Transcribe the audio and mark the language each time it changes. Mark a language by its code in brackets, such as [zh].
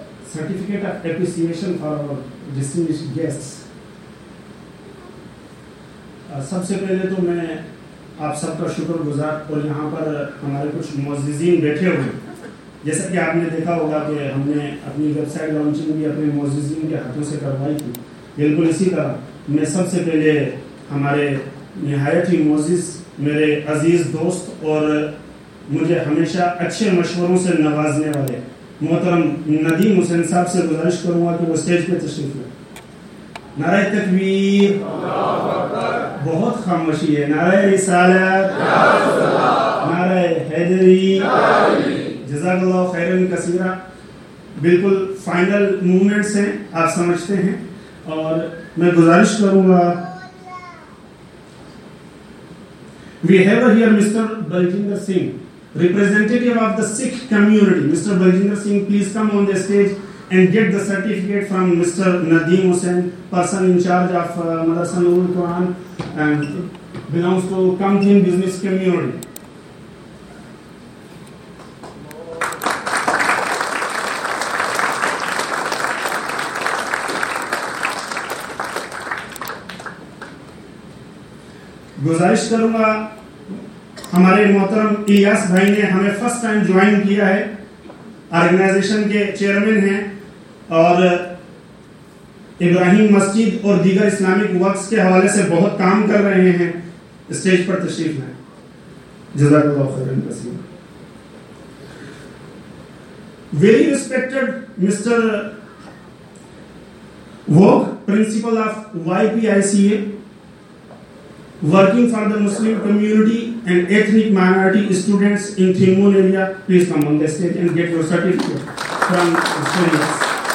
[en] Certificate of appreciation for our distinguished guests. [hi] सबसे पहले तो मैं आप सबका शुक्रगुजार और यहाँ पर हमारे कुछ मौजूदीन बैठे हुए, जैसा कि आपने देखा होगा कि हमने अपनी वेबसाइट लॉन्चिंग भी अपने मौजूदीन के हाथों से करवाई थी, बिल्कुल इसी तरह मैं सबसे पहले हमारे नहायत ही मौजूद मेरे अजीज दोस्त और मुझे हमेशा अच्छे मशवरों से नवाजने वाले मोहतरम नदीम हुसैन साहब से गुजारिश करूंगा कि वो स्टेज पे तशरीफ लें। नारे तकबीर, बहुत खामोशी है। नारे रिसालत, नारे हैदरी, [ar] जज़ाकअल्लाह खैरन कसीरा। [hi] बिल्कुल फाइनल मूवमेंट्स हैं, आप समझते हैं, और मैं गुजारिश करूंगा। [en] We have here mister Baljinder Singh, representative of the Sikh community. Mr. Baljinder Singh, please come on the stage and get the certificate from Mr. Nadeem Hussain, person in charge of Madrasa Nurul Quran and belongs to Kamthin business community. [hi] Guzarish karunga, हमारे मोहतरम इलियास भाई ने हमें [en] first time [hi] join किया है, organisation के chairman हैं और इब्राहिम मस्जिद और दीगर इस्लामिक वर्क्स के हवाले से बहुत काम कर रहे हैं, स्टेज पर तशरीफ लाएं। [ar] जज़ाकअल्लाह खैरन कसीरा। [en] Very respected mister Wok, principal of YPICA, working for the Muslim community and ethnic minority students in Thimun area, please come on the stage and get your certificate from the students.